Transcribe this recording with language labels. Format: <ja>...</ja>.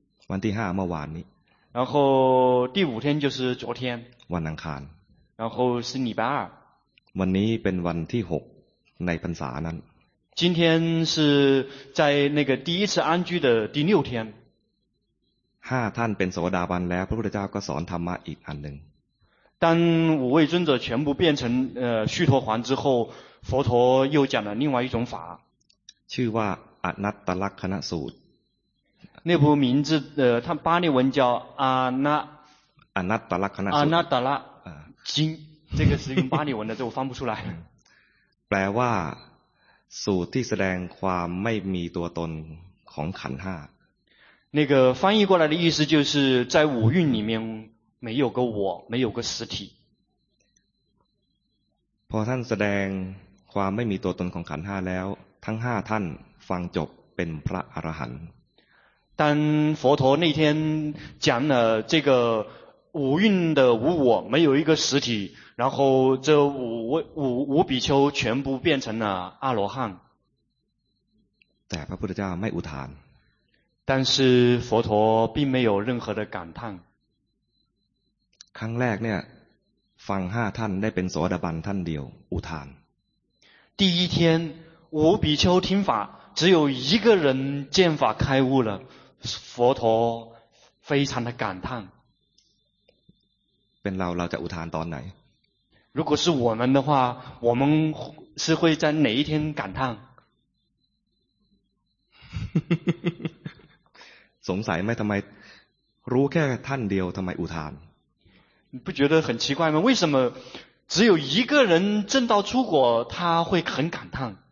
<th>วันที่ห้าเมื่อวานนี้</th> <zh>然后第五天就是昨天</zh> <th>วันอังคาร</th> <zh>然后是礼拜二</zh> <th>วันนี้เป็นวันที่6ในพรรษานั้น</th> <zh>今天是在那个第一次安居的第六天</zh> <th>5ท่านเป็นโสดาบันแล้วพระพุทธเจ้าก็สอนธรรมะอีกอันหนึ่ง</th> <zh>当五位尊者全部变成须陀洹之后佛陀又讲了另外一种法</zh> <th>ชื่อว่าอนัตตลักขณสูตร</th> <zh>那部名字它巴利文叫</zh> <th>อนัตตลักขณสูตร</th> <zh>อนัตตลักจ这个是用巴利文的这我翻不出来</zh> <th>แปลว่าสูตรที่แสดงความไม่มีตัวตนของขันธ์5</th> <zh>那个翻译过来的意思就是在五蕴里面没有个我没有个实体</zh> <th>พอท่านแสดงความไม่มีตัวตนของขันธ์5แล้วทั้ง5ท่านฟังจบเป็นพระอรหันต์</th> <zh>当佛陀那天讲了这个五蕴的无我没有一个实体，然后这五比丘全部变成了阿罗汉。</zh> <th>แต่พระพุทธเจ้าไม่อุทาน</th> <zh>但是佛陀并没有任何的感叹。</zh> <th>ครั้งแรกเนี่ยฟังห้าท่านได้เป็นโสดาบันท่านเดียวอุทาน</th> <zh>第一天五比丘听法只有一个人见法开悟了佛陀非常的感叹</zh> <th>เป็นเราจะอุทานตอนไหน</th> <zh>如果是我们的话我们是会在哪一天感叹</zh> <th>สงสัยไหมทำไมรู้แค่ท่านเดียวทำไมอุทาน</th> <zh>不觉得很奇怪吗为什么只有一个人证道出果他会很感叹</zh>